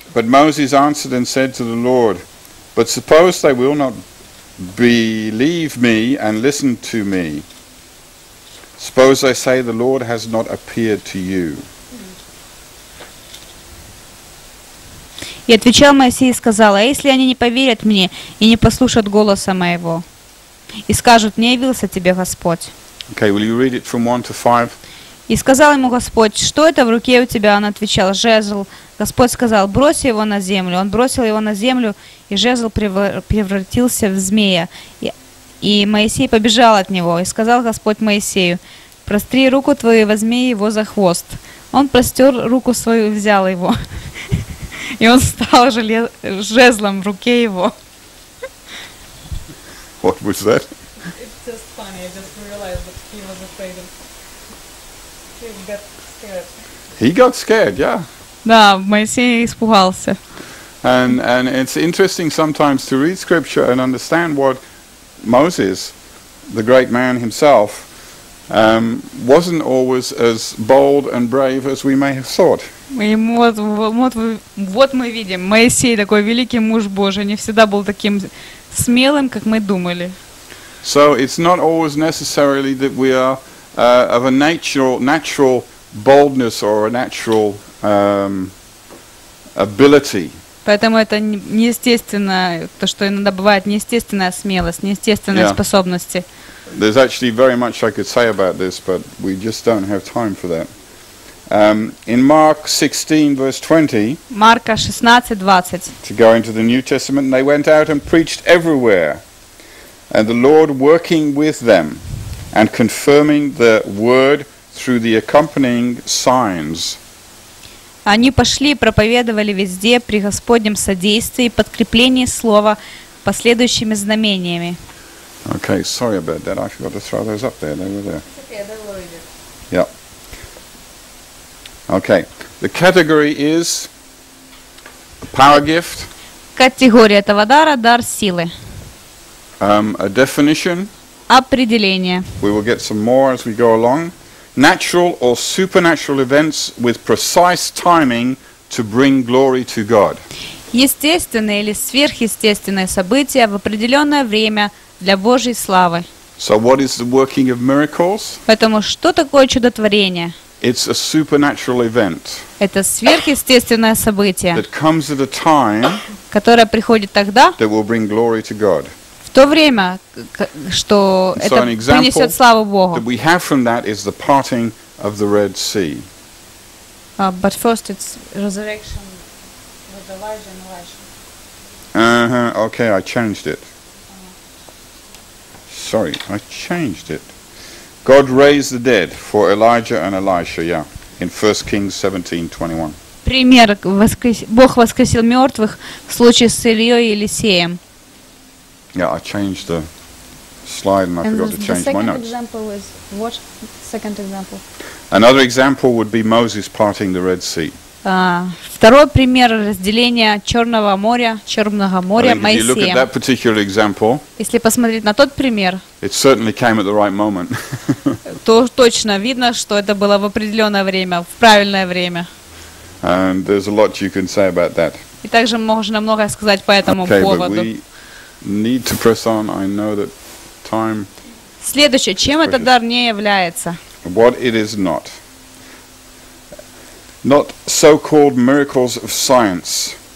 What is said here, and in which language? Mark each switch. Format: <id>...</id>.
<en>But Moses answered and said to the Lord, but suppose they will not believe me and listen to me. Suppose they say the Lord has not appeared to you.</en> <ru>И отвечал Моисей и сказал, а если они не поверят мне и не послушают голоса моего? И скажут, не явился тебе Господь.</ru> <en>Okay, will you read it from 1 to 5?</en> <ru>И сказал ему Господь, что это в руке у тебя? Он отвечал, жезл. Господь сказал, брось его на землю. Он бросил его на землю, и жезл превратился в змея. И Моисей побежал от него. И сказал Господь Моисею, простри руку твою и возьми его за хвост. Он простер руку свою и взял его. И он стал жезлом в руке его.</ru> <en>What was that? It's just funny. I just realized that he was afraid of... He got scared. He got scared, yeah.</en> <ru>Да, Моисей испугался.</ru> <en>And it's interesting sometimes to read scripture and understand what Moses, the great man himself, wasn't always as bold and brave as we may have thought.</en> <ru>Вот мы видим, Моисей такой великий муж Божий, не всегда был таким смелым, как мы думали.</ru> <en>So it's not always necessarily that we are of a natural boldness or a natural ability.</en> <ru>Поэтому это неестественно, то, что иногда бывает, неестественная смелость, неестественные способности.</ru> <en>There's actually very much I could say about this, but we just don't have time for that. In Mark 16, verse 20,</en> <ru>Марка 16, 20,</ru> <en>to go into the New Testament, they went out and preached everywhere, and the Lord working with them, and confirming the word through the accompanying signs.</en> <ru>Они пошли и проповедовали везде при Господнем содействии и подкреплении слова последующими знамениями.</ru> <en>Okay, sorry about that. I forgot to throw those up there. They were there. It's okay, they were there. Yeah. Okay. The category is a power gift.</en> <ru>Категория этого дара – дар силы.</ru> <en>A definition.</en> <ru>Определение.</ru> <en>We will get some more as we go along. Natural or supernatural events with precise timing to bring glory to God.</en> <ru>Естественные или сверхъестественные события в определенное время для Божьей славы.</ru> <en>So what is the working of miracles?</en> <ru>Поэтому что такое чудотворение?</ru> <en>It's a supernatural event.</en> <ru>Это сверхъестественное событие.</ru> <en>That comes at a time.</en> <ru>Которое приходит тогда.</ru> <en>That will bring glory to God.</en> <ru>В то время, что это принесет славу Богу.</ru> <en>That we have from that is the parting of the Red Sea. But first it's resurrection with Elijah and Elisha. Okay, I changed it. Sorry, I changed it. God raised the dead for Elijah and Elisha, yeah, in 1 Kings 17:21.</en> <ru>Пример, Бог воскресил мертвых в случае с Ильей и Елисеем.</ru> <en>Yeah, I changed the slide and I forgot to change my notes. And the second example is what? Second example. Another example would be Moses parting the Red Sea.</en> <ru>Второй пример разделения Черного моря, Черного моря Моисея.</ru> <en>If you look at that particular example,</en> <ru>если посмотреть на тот пример,</ru> <en>it certainly came at the right moment.</en> <ru>То точно видно, что это было в определенное время, в правильное время.</ru> <en>And there's a lot you can say about that.</en> <ru>И также можно многое сказать по этому поводу.</ru> <en>Need to press on. I know that time.</en> <ru>Следующее, чем этот дар не является?</ru> <en>What it is not. Not so-called miracles of science.</en>